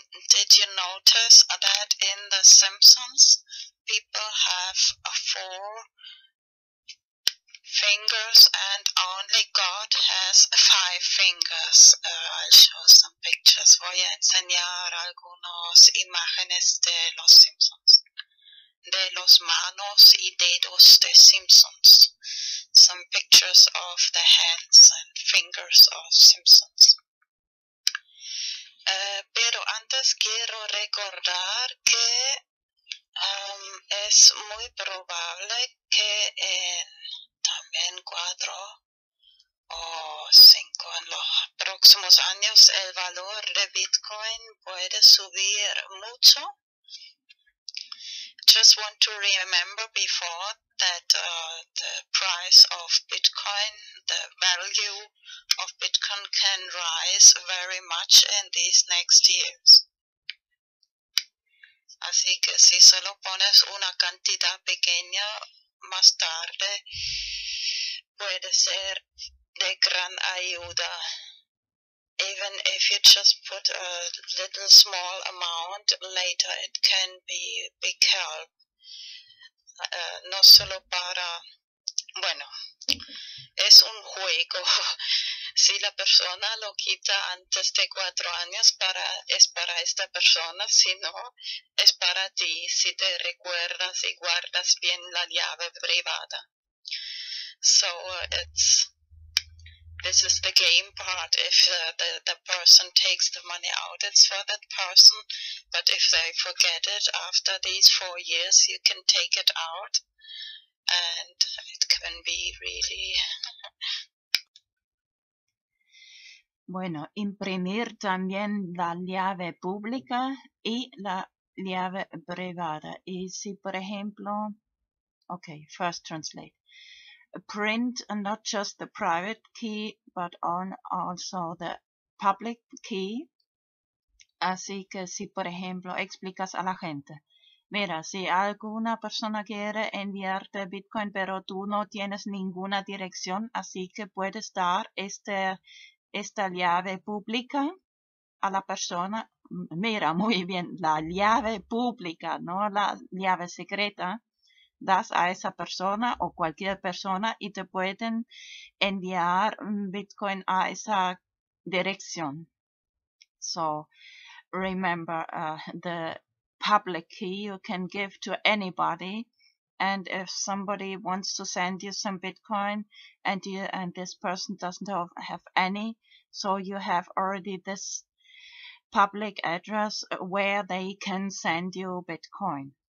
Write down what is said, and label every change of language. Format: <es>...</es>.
<en>Did you notice that in The Simpsons, people have 4 fingers and only God has 5 fingers? I'll show some pictures for you.</en> <es>enseñar algunas imágenes de los Simpsons, de los manos y dedos de Simpsons.</es> <en>Some pictures of the hands and fingers of Simpsons.</en> <es>Pero antes quiero recordar que es muy probable que en también 4 o 5 en los próximos años el valor de Bitcoin puede subir mucho.</es> <en>Just want to remember before that the price of Bitcoin, the value of Bitcoin can rise very much in these next years.</en> <es>Así que si solo pones una cantidad pequeña más tarde, puede ser de gran ayuda.</es> <en>Even if you just put a little small amount later, it can be big help.</en> <es>No solo para, bueno, es un juego. Si la persona lo quita antes de 4 años, para, es para esta persona. Si no, es para ti, si te recuerdas y guardas bien la llave privada.</es> <en>So it's, this is the game part. If the person takes the money out, it's for that person. But if they forget it after these 4 years, you can take it out. And it can be really...</en> <es>Bueno, imprimir también la llave pública y la llave privada. Y si, por ejemplo...</es> <en>Okay, first translate. Print not just the private key, but on also the public key.</en> <es>Así que si, por ejemplo, explicas a la gente. Mira, si alguna persona quiere enviarte Bitcoin, pero tú no tienes ninguna dirección, así que puedes dar esta llave pública a la persona. Mira, muy bien, la llave pública, no la llave secreta. Das a esa persona o cualquier persona y te pueden enviar Bitcoin a esa dirección.</es> <en>So, remember, the public key you can give to anybody. And if somebody wants to send you some Bitcoin and this person doesn't have any, so you have already this public address where they can send you Bitcoin.</en>